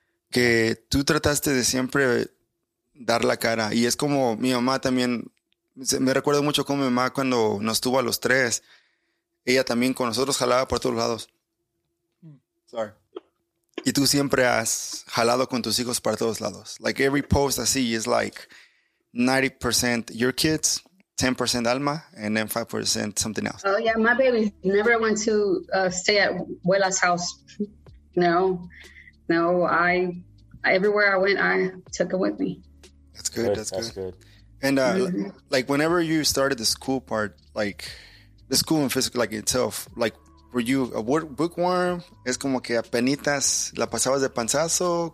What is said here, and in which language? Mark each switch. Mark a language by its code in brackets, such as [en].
[es] Que tú trataste de siempre dar la cara. Y es como mi mamá también, me recuerdo mucho con mi mamá cuando nos tuvo a los tres, ella también con nosotros jalaba por todos lados. [en] Sorry. [es] Y tú siempre has jalado con tus hijos para todos lados. [en] Like every post I see is like 90% your kids, 10% Alma, and then 5% something else. Oh yeah, my baby never went to stay at Wella's house. No, I everywhere I went, I took it with me. That's good. And mm-hmm. like whenever you started the school part, like the school and physical, like itself, like Were you a bookworm? [es] Es como que apenitas la pasabas de panzazo.